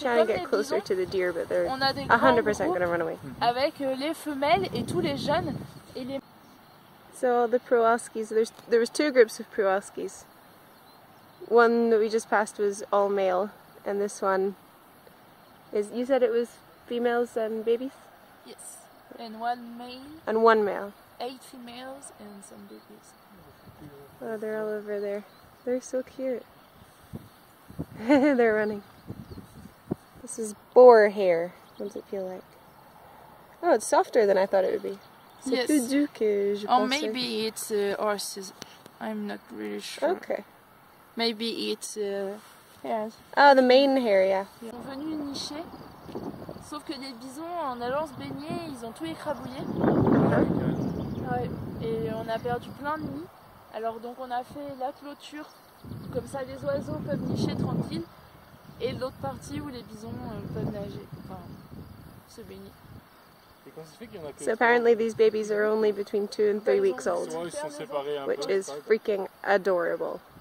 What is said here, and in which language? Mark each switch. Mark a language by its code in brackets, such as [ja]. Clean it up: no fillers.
[en] Trying to get closer to the deer, but they're 100% going to run away. [fr] Avec les femelles et tous les jeunes et les. [en] So the Prewalskis. There was two groups of Prewalskis. One that we just passed was all male, and this one is. You said it was females and babies. Yes, and one male. And one male. 8 females and some babies. Oh, they're all over there. They're so cute. They're running. This is boar hair. What does it feel like? Oh, it's softer than I thought it would be. [fr] C'est plus doux que je pensais. [en] Or maybe it's horses. I'm not really sure. Okay. Maybe it's yeah. Oh, the mane hair, yeah. [fr] Ils sont venus nicher. Sauf que les bisons, en allant se baigner, ils ont tout écrabouillé. Ouais, et on a perdu plein de nids. Alors donc on a fait la clôture, comme ça les oiseaux peuvent nicher tranquille, et l'autre partie où les bisons peuvent nager, enfin se baigner. [en] So apparently these babies are only between 2 and 3 weeks old, which is freaking adorable.